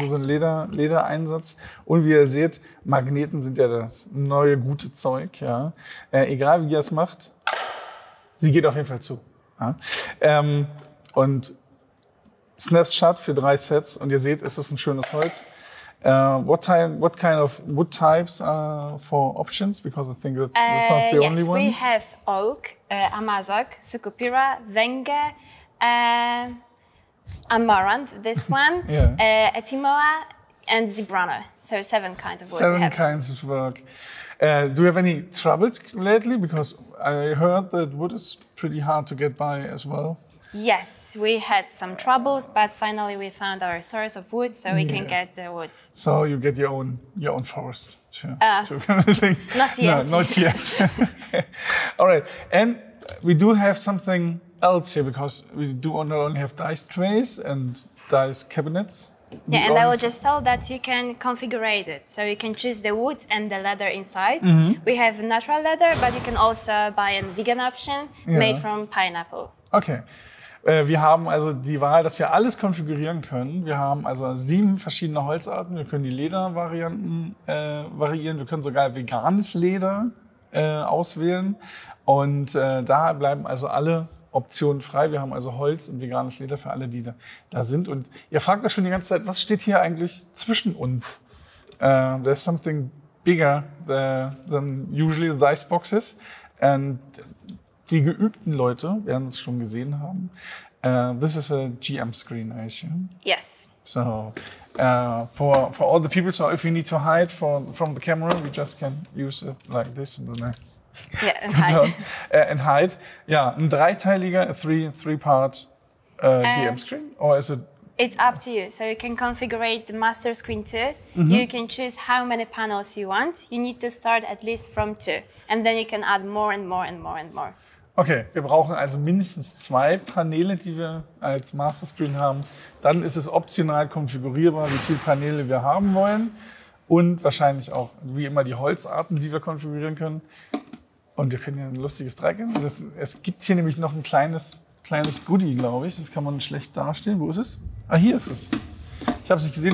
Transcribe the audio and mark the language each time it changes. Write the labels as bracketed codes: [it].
[de] Also so ein Ledereinsatz. Und wie ihr seht, Magneten sind ja das neue gute Zeug. Ja. Egal wie ihr es macht, sie geht auf jeden Fall zu. Ja. Und Snapshot für drei Sets. Und ihr seht, es ist ein schönes Holz. [en] What kind of wood types are for options? Because I think that's not the yes, only one. Yes, we have oak, amazoch, sucupira, venge, amaranth, this one, yeah. Etimoa, and zebrano. So seven kinds of wood. Seven kinds of work. Do you have any troubles lately? Because I heard that wood is pretty hard to get by as well. Yes, we had some troubles, but finally we found our source of wood, so we can get the wood. So you get your own forest. Not yet. Not yet. All right. And we do have something else here, because we do not only have dice trays and dice cabinets. Yeah, and I will just tell that you can configure it. So you can choose the wood and the leather inside. Mm-hmm. We have natural leather, but you can also buy a vegan option made from pineapple. Okay. [de] Wir haben also die Wahl, dass wir alles konfigurieren können. Wir haben also sieben verschiedene Holzarten. Wir können die Ledervarianten variieren. Wir können sogar veganes Leder auswählen. Und da bleiben also alle Optionen frei. Wir haben also Holz und veganes Leder für alle, die da sind. Und ihr fragt euch schon die ganze Zeit, was steht hier eigentlich zwischen uns? [en] There's something bigger than usually the dice boxes. [de] And die geübten Leute werden es schon gesehen haben. [en] This is a GM screen, I assume. Yes. So, for all the people, so if you need to hide from the camera, we just can use it like this and then hide. [de] Ja, ein dreiteiliger, [en] three-part GM screen, or is it? It's up to you. So you can configure the master screen too. Mm-hmm. You can choose how many panels you want. You need to start at least from two, and then you can add more and more and more and more. [de] Okay, wir brauchen also mindestens zwei Paneele, die wir als Master Screen haben. Dann ist es optional konfigurierbar, wie viele Paneele wir haben wollen. Und wahrscheinlich auch, wie immer, die Holzarten, die wir konfigurieren können. Und wir können hier ein lustiges Dreieck machen. Es gibt hier nämlich noch ein kleines Goodie, glaube ich. Das kann man schlecht darstellen. Wo ist es? Ah, hier ist es. Ich habe es nicht gesehen.